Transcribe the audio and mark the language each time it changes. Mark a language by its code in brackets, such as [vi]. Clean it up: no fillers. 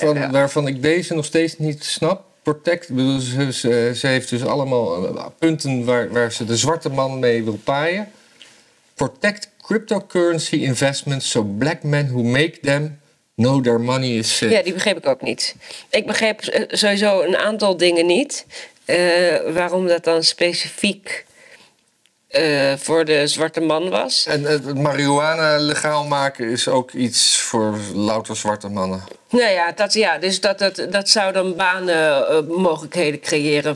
[nl] Waarvan ik deze nog steeds niet snap. Protect, ze heeft dus allemaal punten waar ze de zwarte man mee wil paaien. [en] Protect cryptocurrency investments so black men who make them know their money is safe. [nl] Ja, die begreep ik ook niet. Ik begreep sowieso een aantal dingen niet. Waarom dat dan specifiek voor de zwarte man was. En het marihuana legaal maken is ook iets voor louter zwarte mannen. Nou ja, dat zou dan banen mogelijkheden creëren.